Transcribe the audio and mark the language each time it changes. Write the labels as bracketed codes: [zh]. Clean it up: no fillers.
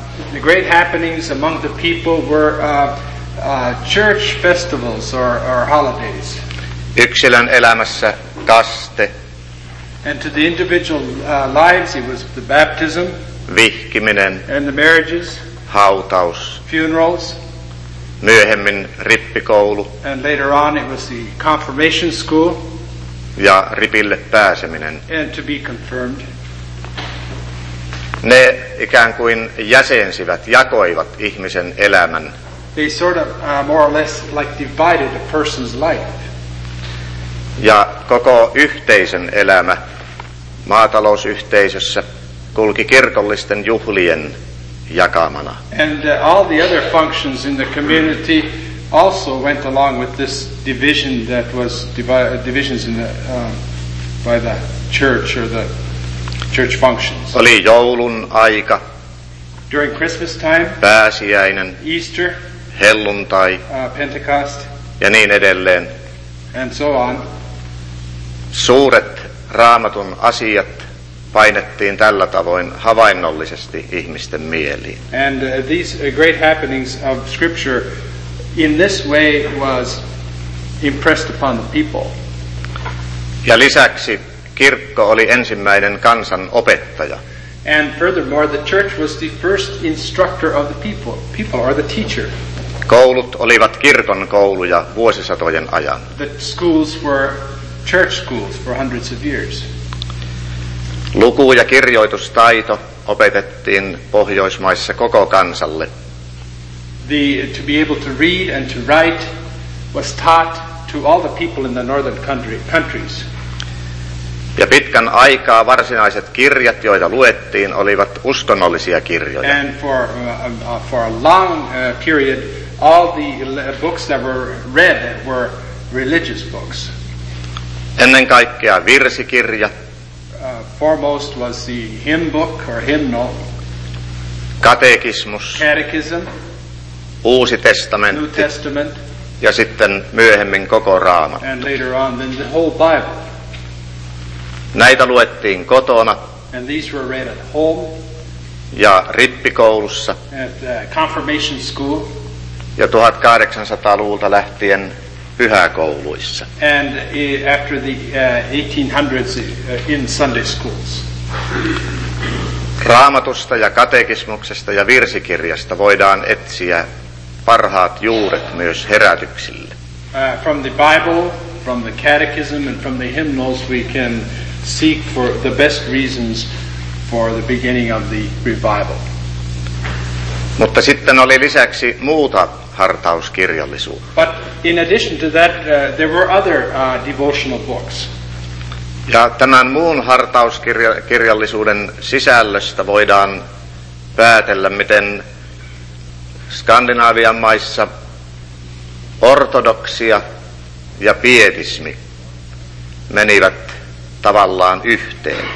[en] The great happenings among the people were church festivals or holidays. [fi] Yksilön elämässä kaste. [en] And to the individual lives it was the baptism. [fi] Vihkiminen. [en] And the marriages. [fi] Hautaus. [en] Funerals. [fi] Myöhemmin rippikoulu. [en] And later on it was the confirmation school. [fi] Ja ripille pääseminen. [en] And to be confirmed. [fi] Ne ikään kuin jäsensivät, jakoivat ihmisen elämän. [en] They sort of more or less like divided a person's life. [fi] Ja koko yhteisen elämä maatalousyhteisössä kulki kirkollisten juhlien jakamana. [en] And all the other functions in the community also went along with this division that was divisions in the by the church or the church functions. [fi] Oli joulun aika. [en] During Christmas time. [fi] Pääsiäinen. [en] Easter. [fi] Helluntai. [en] Pentecost. [fi] Ja niin edelleen. [en] And so on. [fi] Suuret Raamatun asiat painettiin tällä tavoin havainnollisesti ihmisten mieliin. [en] And these great happenings of scripture in this way was impressed upon the people. [fi] Ja lisäksi kirkko oli ensimmäinen kansan opettaja. [en] And furthermore, the church was the first instructor of the people or the teacher. [fi] Koulut olivat kirkon kouluja vuosisatojen ajan. [en] The schools were church schools for hundreds of years. [fi] Luku- ja kirjoitustaito opetettiin Pohjoismaissa koko kansalle. [en] To be able to read and to write was taught to all the people in the northern countries. [fi] Ja pitkän aikaa varsinaiset kirjat, joita luettiin, olivat uskonnollisia kirjoja. [en] And for a long period, all the books that were read were religious books. [fi] Ennen kaikkea virsikirja. [en] Foremost was the hymn book or hymnal. [fi] Katekismus. [en] Catechism. [fi] Uusi testamentti. [en] New Testament. [fi] Ja sitten myöhemmin koko Raamattu. [en] And later on then the whole Bible. [fi] Näitä luettiin kotona. [en] And these were read at home. [fi] Ja rippikoulussa. [en] At confirmation school. [fi] Ja 1800-luvulta lähtien pyhäkouluissa. [en] And after the 1800s in Sunday schools. [fi] Raamatusta ja katekismuksesta ja virsikirjasta voidaan etsiä parhaat juuret myös herätyksille. [en] From the Bible, from the catechism and from the hymnals we can seek for the best reasons for the beginning of the revival. [fi] Mutta sitten oli lisäksi muuta hartauskirjallisuutta. [en] But in addition to that, there were other devotional books. [fi] Ja tämän muun hartauskirjallisuuden sisällöstä voidaan päätellä, miten Skandinaavian maissa ortodoksia ja pietismi menivät tavallaan yhteen.